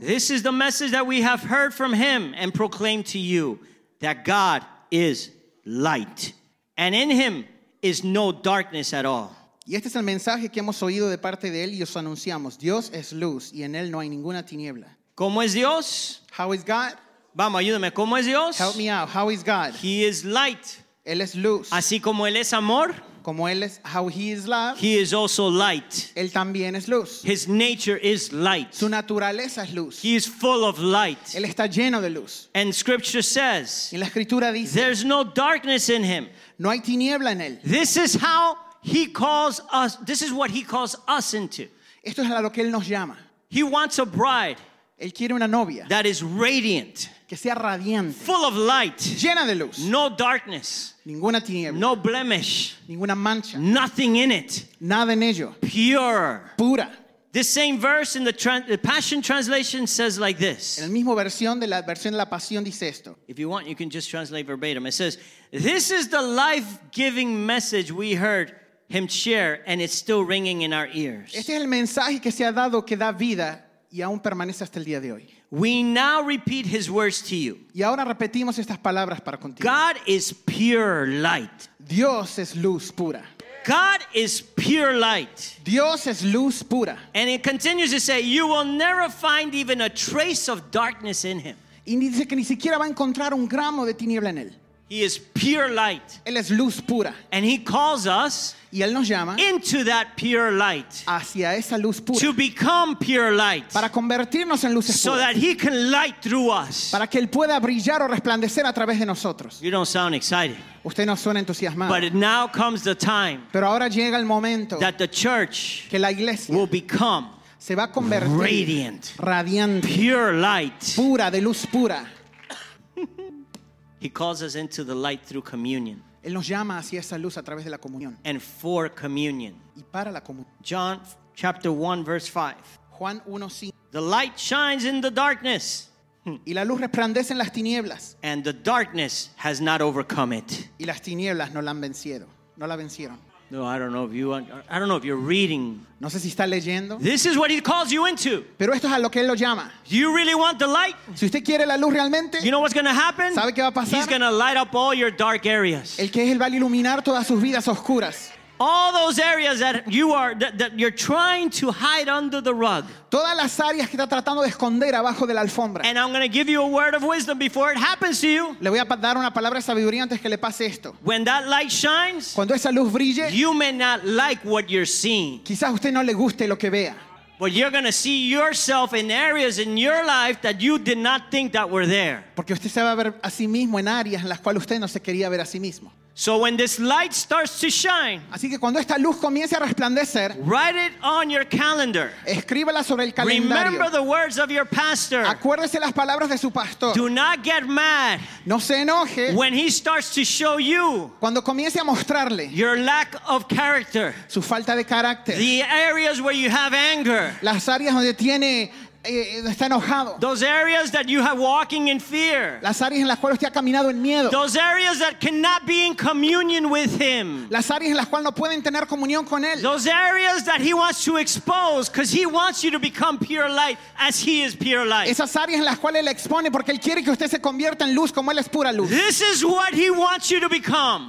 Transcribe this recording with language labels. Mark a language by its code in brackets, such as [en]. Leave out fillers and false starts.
[en] This is the message that we have heard from him and proclaimed to you, that God is light. And in him is no darkness at all. [es] Y este es el mensaje que hemos oído de parte de él y os anunciamos. Dios es luz y en él no hay ninguna tiniebla. ¿Cómo es Dios? [en] How is God? [es] Vamos, ayúdame. ¿Cómo es Dios? [en] Help me out. How is God? He is light. [es] Él es luz. Así como él es amor. Como él es, [en] how he is love. He is also light. [es] Él también es luz. [en] His nature is light. [es] Su naturaleza es luz. [en] He is full of light. [es] Él está lleno de luz. [en] And scripture says. [es] Y la escritura dice. [en] There's no darkness in him. [es] No hay tiniebla en él. [en] This is how he calls us. This is what he calls us into. [es] Esto es a lo que él nos llama. [en] He wants a bride. [es] Él quiere una novia. [en] That is radiant. [es] que sea radiante, [en] full of light, [es] llena de luz, [en] no darkness, [es] ninguna tiniebla, [en] no blemish, [es] ninguna mancha, [en] nothing in it, [es] nada en ello, [en] pure, [es] pura. [en] This same verse in the Passion Translation says like this. [es] En la misma versión de la versión de la Pasión dice esto. [en] If you want, you can just translate verbatim. It says, "This is the life-giving message we heard him share, and it's still ringing in our ears." [es] Este es el mensaje que se ha dado que da vida y aún permanece hasta el día de hoy. [en] We now repeat his words to you. [es] Y ahora repetimos estas palabras para contigo. [en] God is pure light. [es] Dios es luz pura. [en] God is pure light. [es] Dios es luz pura. [en] And it continues to say, you will never find even a trace of darkness in him. [es] Y dice que ni siquiera va a encontrar un gramo de tiniebla en él. [en] He is pure light. [es] Él es luz pura. [en] And he calls us, [es] y él nos llama, [en] into that pure light. [es] Hacia esa luz pura. [en] To become pure light. [es] Para convertirnos en luces puras. [en] So that he can light through us. [es] Para que él pueda brillar o resplandecer a través de nosotros. [en] You don't sound excited. [es] Usted no suena entusiasmado. [en] But now comes the time. [es] Pero ahora llega el momento. [en] That the church, [es] que la iglesia, [en] will become, [es] se va a convertir, [en] radiant, [es] radiante, [en] pure light, [es] pura, de luz pura. [en] He calls us into the light through communion. [es] Él nos llama hacia esa luz a través de la comunión. [en] And for communion. [es] Y para la comunión. [en] John chapter 1 verse 5. [es] Juan 1:5. [en] The light shines in the darkness. [es] Y la luz resplandece en las tinieblas. [en] And the darkness has not overcome it. [es] Y las tinieblas no la han vencido. No la vencieron. [en] No, I don't know if you're reading. [es] No sé si está leyendo. [en] This is what he calls you into. [es] Pero esto es a lo que él lo llama. [en] Do you really want the light? [es] Si usted quiere la luz realmente. [en] You know what's going to happen? [es] ¿Sabe qué va a pasar? [en] He's going to light up all your dark areas. [es] El que es, él va a iluminar todas sus vidas oscuras. [en] All those areas that you are that you're trying to hide under the rug. [es] Todas las áreas que está tratando de esconder abajo de la alfombra. [en] And I'm going to give you a word of wisdom before it happens to you. [es] Le voy a dar una palabra de sabiduría antes que le pase esto. [en] When that light shines, [es] cuando esa luz brille, [en] you may not like what you're seeing. [es] Quizás usted no le guste lo que vea. [en] But you're going to see yourself in areas in your life that you did not think that were there. [es] Porque usted se va a ver a sí mismo en áreas en las cuales usted no se quería ver a sí mismo. [en] So when this light starts to shine, [es] así que cuando esta luz comience a resplandecer, [en] write it on your calendar. [es] Escríbala sobre el calendario. [en] Remember the words of your pastor. [es] Acuérdese las palabras de su pastor. [en] Do not get mad. [es] No se enoje. [en] When he starts to show you, [es] cuando comience a mostrarle, [en] your lack of character, [es] su falta de carácter, [en] the areas where you have anger, [es] las áreas donde tiene, está enojado. [en] Those areas that you have walking in fear. [es] Las áreas en las cuales usted ha caminado en miedo. [en] Those areas that cannot be in communion with him. [es] Las áreas en las cuales no pueden tener comunión con él. [en] Those areas that he wants to expose because he wants you to become pure light as he is pure light. [es] Esas áreas en las cuales él expone porque él quiere que usted se convierta en luz como él es pura luz. [en] This is what he wants you to become.